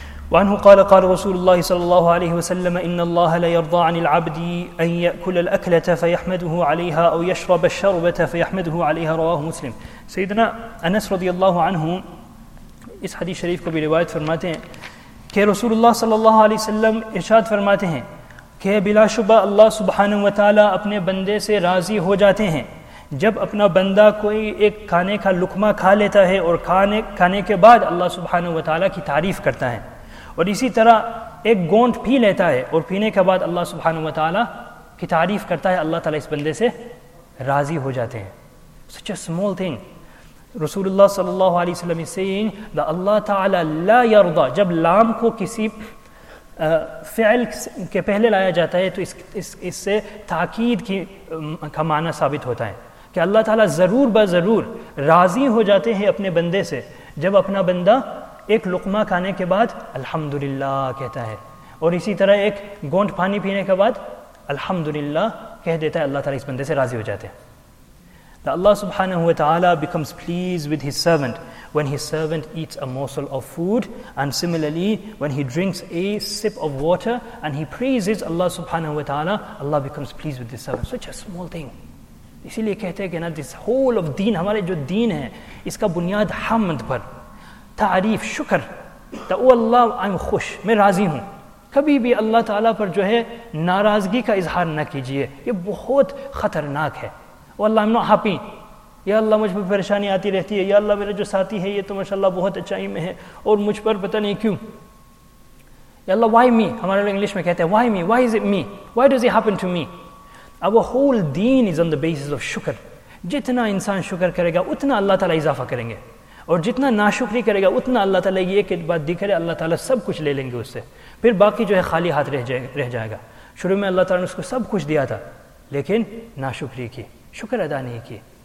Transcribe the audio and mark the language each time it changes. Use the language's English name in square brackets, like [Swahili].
[Arabic] وعنه قال قال رسول الله صلى الله عليه وسلم إن الله لا يرضى عن العبد أن يأكل الأكلة فيحمده عليها أو يشرب الشربة فيحمده عليها رواه مسلم. [Urdu] سيدنا أنس رضي الله عنه اس حدیث شریف کو بھی روایت فرماتے ہیں کہ رسول اللہ صلی اللہ علیہ وسلم ارشاد فرماتے ہیں کہ بلا شبہ اللہ سبحانہ و تعالیٰ اپنے بندے سے راضی ہو جاتے ہیں جب اپنا بندہ کوئی ایک کھانے کا لقمہ کھا لیتا ہے اور کھانے کے بعد اللہ سبحانہ و تعالیٰ کی تعریف کرتا ہے اور اسی طرح ایک گونٹ پی لیتا ہے اور پینے کے بعد اللہ سبحانہ و تعالیٰ کی تعریف کرتا ہے اللہ تعالیٰ اس بندے سے راضی ہو جاتے ہیں. [English] Such a small thing. [Urdu] رسول اللہ صلی اللہ علیہ وسلم [English] is saying that [Urdu] اللہ تعالیٰ لا یرضا, جب لام کو کسی فعل کے پہلے لایا جاتا ہے تو اس سے تاکید کا معنی ثابت ہوتا ہے کہ اللہ تعالیٰ ضرور بضرور راضی ہو جاتے ہیں اپنے بندے سے جب اپنا بندہ ایک لقمہ کھانے کے بعد الحمدللہ کہتا ہے اور اسی طرح ایک گونٹ پانی پینے کے بعد الحمدللہ کہہ دیتا ہے, اللہ تعالیٰ اس بندے سے راضی ہو جاتے ہیں. [English] That Allah subhanahu wa ta'ala becomes pleased with his servant when his servant eats a morsel of food, and similarly when he drinks a sip of water and he praises Allah subhanahu wa ta'ala, Allah becomes pleased with his servant. Such a small thing. [Urdu] اسی لیے کہتے ہیں کہ نا [English] this whole of دین, [Urdu] ہمارے جو دین ہے اس کا بنیاد حمد پر, تعریف, شکر. او اللہ I'm خوش, میں راضی ہوں. کبھی بھی اللہ تعالیٰ پر جو ہے ناراضگی کا اظہار نہ کیجئے, یہ بہت خطرناک ہے. [English] Oh Allah, I'm not happy. [Urdu] یا اللہ مجھ پہ پریشانی آتی رہتی ہے, یا اللہ میرا جو ساتھی ہے یہ تو ماشاء اللہ بہت اچھائی میں ہے اور مجھ پر پتہ نہیں کیوں. یا اللہ [English] why me, [Urdu] ہمارے لوگ انگلش میں کہتے ہیں why me, [English] why is it me, why does it happen to me. Our whole deen is on the basis of شکر. [Urdu] جتنا انسان شکر کرے گا اتنا اللہ تعالیٰ اضافہ کریں گے, اور جتنا ناشکری کرے گا اتنا اللہ تعالیٰ یہ کہ بات دکھ رہے اللہ تعالیٰ سب کچھ لے لیں گے اس سے, پھر باقی جو ہے خالی ہاتھ رہ جائے گا. شروع میں اللہ تعالیٰ نے اس کو سب کچھ دیا تھا لیکن ناشکری کی, شکر ادا نہیں کی.